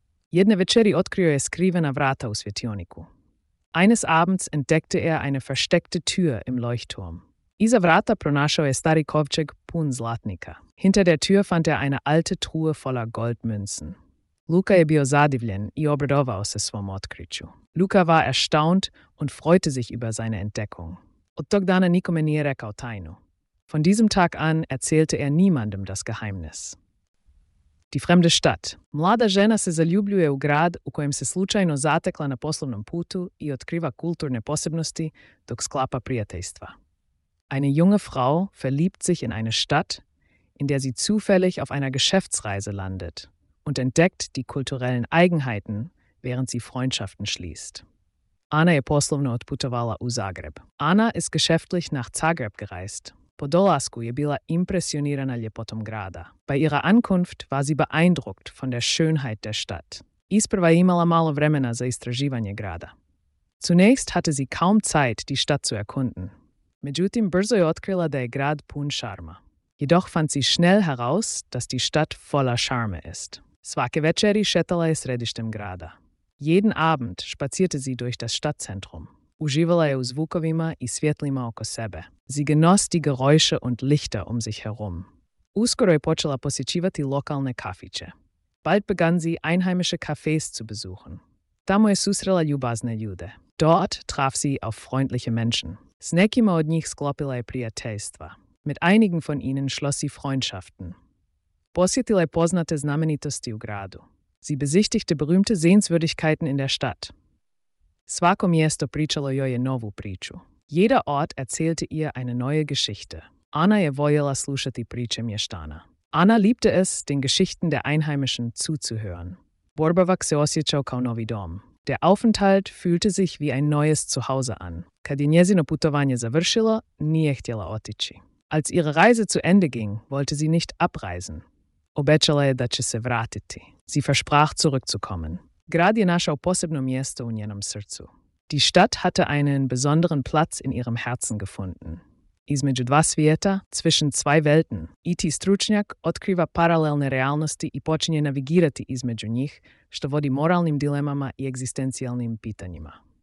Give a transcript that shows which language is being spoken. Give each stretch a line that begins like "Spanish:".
Croatian: Jedne večeri otkrio je skrivena vrata u svjetioniku.
German: Eines Abends entdeckte er eine versteckte Tür im Leuchtturm.
Croatian: Iza vrata pronašao je stari kovčeg pun zlatnika.
German: Hinter der Tür fand er eine alte Truhe voller Goldmünzen.
Croatian: Luka je bio zadivljen i obradovao se svom otkriću.
German: Luka war erstaunt und freute sich über seine Entdeckung.
Croatian: Od tog dana nikome nije rekao tajnu.
German: Von diesem Tag an erzählte er niemandem das Geheimnis. Die fremde Stadt.
Croatian: Mlada žena se zaljubljuje u grad u kojem se slučajno zatekla na poslovnom putu i otkriva kulturne posebnosti dok sklapa prijateljstva.
German: Eine junge Frau verliebt sich in eine Stadt, in der sie zufällig auf einer Geschäftsreise landet und entdeckt die kulturellen Eigenheiten, während sie Freundschaften schließt.
Croatian: Ana je poslovno otputovala u Zagreb.
German: Ana ist geschäftlich nach Zagreb gereist.
Croatian: Po dolasku je bila impresionirana ljepotom grada.
German: Bei ihrer Ankunft war sie beeindruckt von der Schönheit der Stadt.
Croatian: Isprva je imala malo vremena za istraživanje grada.
German: Zunächst hatte sie kaum Zeit, die Stadt zu erkunden.
Croatian: Međutim, brzo je otkrila da je grad pun šarma.
German: Jedoch fand sie schnell heraus, dass die Stadt voller Charme ist.
Croatian: Svake večeri šetala je središtem grada.
German: Jeden Abend spazierte sie durch das Stadtzentrum.
Croatian: Uživala je u zvukovima i svjetlima oko sebe.
German: Sie genoss die Geräusche und Lichter um sich herum.
Croatian: Uskoro je počela posjećivati lokalne kafiće.
German: Bald begann sie, einheimische Cafés zu besuchen.
Croatian: Tamo je susrela ljubazne ljude.
German: Dort traf sie auf freundliche Menschen.
Croatian: S nekima od njih sklopila je prijateljstva.
German: Mit einigen von ihnen schloss sie Freundschaften.
Croatian: Posjetila je poznate znamenitosti u gradu.
German: Sie besichtigte berühmte Sehenswürdigkeiten in der Stadt.
Croatian: Svako mjesto pričalo joj je novu priču.
German: Jeder Ort erzählte ihr eine neue Geschichte.
Croatian: Ana je voljela slušati priče mještana.
German: Ana liebte es, den Geschichten der Einheimischen zuzuhören.
Croatian: Borbavak se osjećao kao novi dom.
German: Der Aufenthalt fühlte sich wie ein neues Zuhause an.
Croatian: Kad je njezino putovanje završilo, nije htjela otići.
German: Als ihre Reise zu Ende ging, wollte sie nicht abreisen.
Croatian: Obećala je da će se vratiti.
German: Sie versprach zurückzukommen.
Croatian: Grad je našao posebno mjesto u njenom srcu.
German: Die Stadt hatte einen besonderen Platz in ihrem Herzen gefunden.
Croatian: Između dva svijeta,
German: zwischen zwei Welten.
Croatian: IT stručnjak otkriva paralelne realnosti i počinje navigirati između njih, što vodi moralnim dilemama i egzistencijalnim pitanjima.